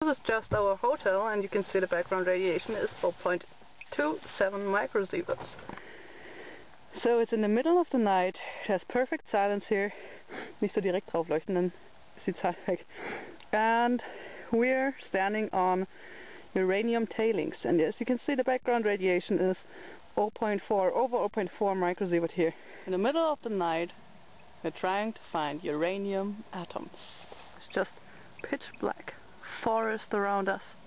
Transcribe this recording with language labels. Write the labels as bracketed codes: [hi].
[en] This is just our hotel, and you can see the background radiation is 4.27 microsieverts. So it's in the middle of the night, there's perfect silence here. [de] Nicht so direkt drauf leuchten, dann sieht's halt weg. [en] And we're standing on uranium tailings, and as you can see, the background radiation is 0.4 microsievert here. In the middle of the night, we're trying to find uranium atoms. It's just pitch black forest around us.